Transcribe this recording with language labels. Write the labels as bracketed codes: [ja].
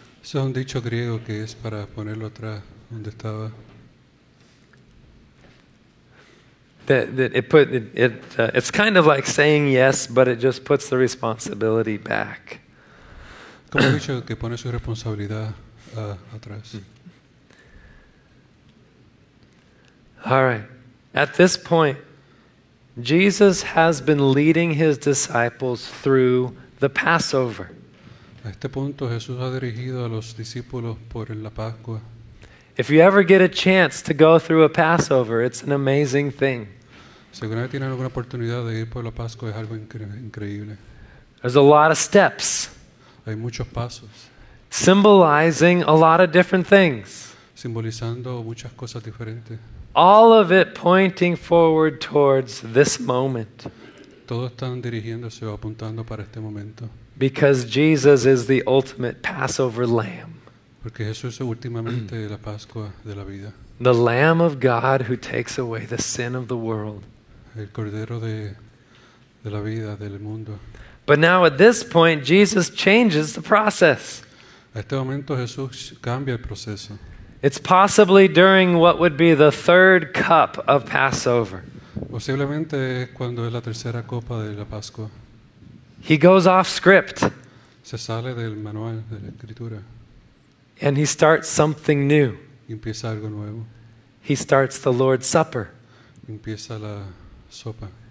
[es] Es un dicho griego que es para ponerlo atrás donde estaba. [en] It's kind of like saying yes, but it just puts the responsibility back. [es] Como dicho que pone su responsabilidad atrás. [en] All right. At this point, Jesus has been leading his disciples through the Passover. [es] A este punto, Jesús ha dirigido a los discípulos por la Pascua. [en] If you ever get a chance to go through a Passover, it's an amazing thing. [es] Si alguna vez tienen alguna oportunidad de ir por la Pascua, es algo increíble. [en] There's a lot of steps. [es] Hay muchos pasos. [en] Symbolizing a lot of different things. [es] Simbolizando muchas cosas diferentes. [en] All of it pointing forward towards this moment. [es] Todos están dirigiéndose o apuntando para este momento. [en] Because Jesus is the ultimate Passover lamb. [es] Porque Jesús es últimamente la Pascua de la vida. [en] The lamb of God who takes away the sin of the world. [es] El cordero de la vida del mundo. [en] But now at this point Jesus changes the process. [es] A este momento Jesús cambia el proceso. [en] It's possibly during what would be the third cup of Passover. [es] Posiblemente cuando es la tercera copa de la Pascua. [en] He goes off script. [es] Se sale del manual de la escritura. [en] And he starts something new. [es] Empieza algo nuevo. [en] He starts the Lord's Supper. [es] Empieza la sopa.